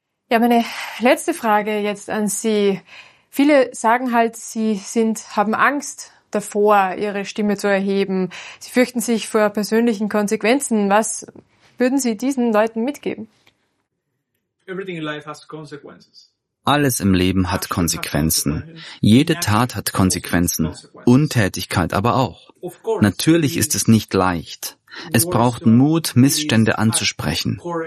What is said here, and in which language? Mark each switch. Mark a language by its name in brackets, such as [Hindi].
[German] Ja, meine letzte Frage jetzt an Sie. Viele sagen halt, sie haben Angst davor, ihre Stimme zu erheben. Sie fürchten sich vor persönlichen Konsequenzen. Was würden Sie diesen Leuten mitgeben? [English] Everything in life has consequences. [German] Alles im Leben hat Konsequenzen. Jede Tat hat Konsequenzen. Untätigkeit aber auch. Natürlich ist es nicht leicht. Es braucht Mut, Missstände anzusprechen.